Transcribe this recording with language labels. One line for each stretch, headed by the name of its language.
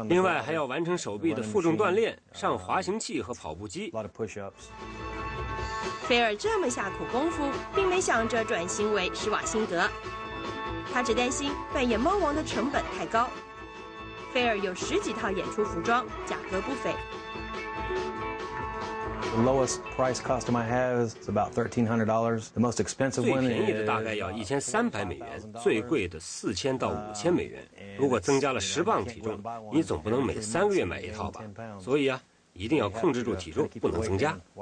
Chinese: 另外还要完成手臂的负重锻炼，上滑行器和跑步机。菲尔这么下苦功夫，并没想着转型为施瓦辛格，他只担心扮演猫王的成本太高。菲尔有10几套演出服装，价格不菲。
English: The lowest price costume I have is about $1,300. The most expensive one is
Chinese: 最便宜的大概要1300美元，最贵的4000到5000美元。如果增加了10磅体重，你总不能每3个月买一套吧？所以啊，一定要控制住体重，不能增加。